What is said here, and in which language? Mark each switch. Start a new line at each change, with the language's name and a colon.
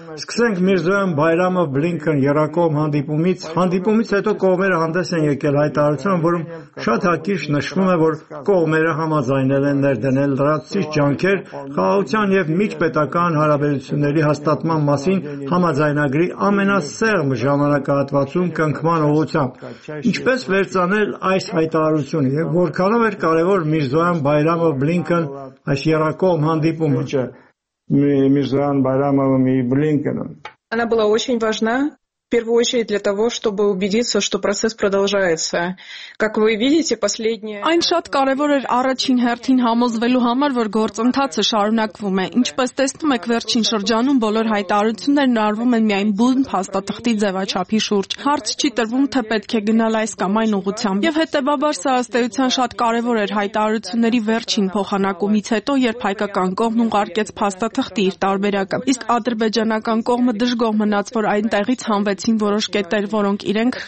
Armenian: Սկսենք Միրզոյան Բայրամով Բլինքեն Երակոմ հանդիպումից։ Հանդիպումից հետո կողմերը հանդես են եկել հայտարարության, որում շատ հակիրճ նշվում է, որ կողմերը համաձայնել են ներդնել լրացուցիչ ջանքեր խաղաղության և միջպետական հարաբերությունների հաստատման մասին համաձայնագրի ամենասեղմ ժամանակահատվածում կնքման ուղղությամբ։ Ինչպես վերծանել այս հայտարարությունը և որքանով էր կարևոր Միրզոյան Բայրամով Բլինքեն այս Երակոմ հանդիպումը։ Միրզոյան Բայրամովն ու Բլինքենը։
Russian: Она была очень важна, в первую очередь для того, чтобы убедиться, что процесс продолжается. Как вы видите, последние
Armenian: Այն շատ կարևոր էր առաջին հերթին համոզվելու համար, որ գործընթացը շարունակվում է։ Ինչպես տեսնում եք, վերջին շրջանում բոլոր հայտարարությունները նարվում են միայն բուն փաստաթղթի ձևաչափի շուրջ։ Հարց չի տրվում, թե պետք է գնալ այս կամ այն ուղղությամբ։ Եվ հետևաբար սա ըստ էության շատ կարևոր էր հայտարարությունների վերջին փոխանակումից հետո, երբ հայկական կողմն ուղարկեց փաստաթղթի իր տարբերակը։ Իսկ ադրբեջանական կողմը դժգոհ մնաց, որ այնտեղից համվեցին որոշ կետեր, որոնք իրենք